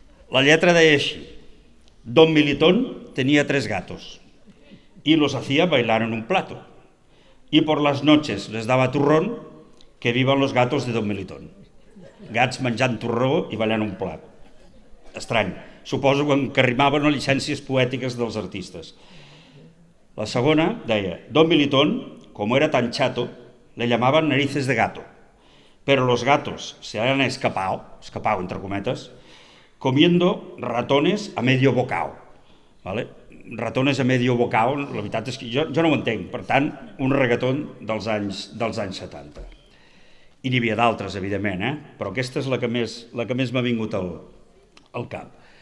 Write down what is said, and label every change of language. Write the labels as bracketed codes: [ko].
[ca] La lletra deia així: [es] Don Militón tenia tres gatos y los hacía bailar en un plato. Y por las noches les daba turrón, que vivan los gatos de Don Militón. [ca] Gats menjant turró i ballant un plat. Estrany. Suposo que rimaven a llicències poètiques dels artistes. La segona deia: [es] Don Militón, como era tan chato, le llamaban narices de gato. Pero los gatos se han escapado, entre cometas, comiendo ratones a medio bocado. ¿Vale? Ratones a medio bocado, [ca] la veritat és que jo no ho entenc. Per tant, un reggaeton dels anys 70. I n'hi havia d'altres, evidentment, però aquesta és la que més m'ha vingut al cap.